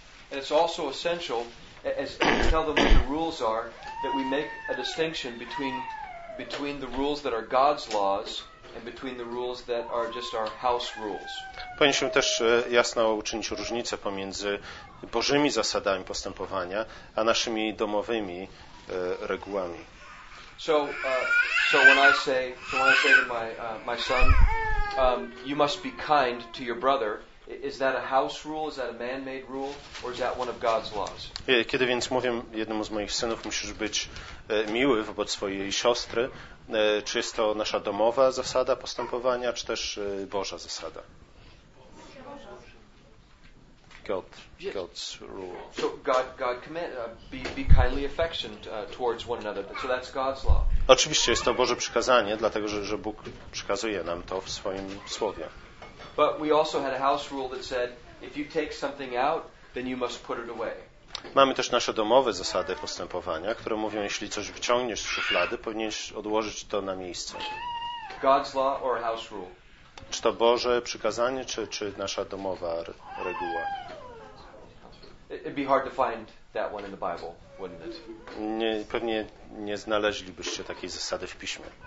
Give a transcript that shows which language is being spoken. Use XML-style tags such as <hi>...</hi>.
<en>And it's also essential, as we tell them what the rules are, that we make a distinction between the rules that are God's laws and between the rules that are just our house rules.</en> <pl>Powinniśmy też jasno uczynić różnicę pomiędzy Bożymi zasadami postępowania a naszymi domowymi regułami.</pl> <en>So when I say to my son, you must be kind to your brother. Is that a house rule? Is that a man-made rule? Or is that one of God's laws?</en> <pl>Kiedy więc mówię jednemu z moich synów, musisz być miły wobec swojej siostry, czy jest to nasza domowa zasada postępowania, czy też Boża zasada?</pl> <en>God's rule. So God command, be kindly affectioned towards one another. So that's God's law.</en> <pl>Oczywiście jest to Boże przykazanie, dlatego że Bóg przekazuje nam to w swoim słowie.</pl> <en>But we also had a house rule that said if you take something out, then you must put it away.</en> <pl>Mamy też nasze domowe zasady postępowania, które mówią, jeśli coś wyciągniesz z szuflady, powinieneś odłożyć to na miejsce.</pl> <en>God's law or a house rule?</en> <pl>Czy to Boże przykazanie, czy nasza domowa reguła?</pl> <en>It'd be hard to find that one in the Bible, wouldn't it?</en> <pl>Nie, pewnie nie znaleźlibyście takiej zasady w piśmie.</pl>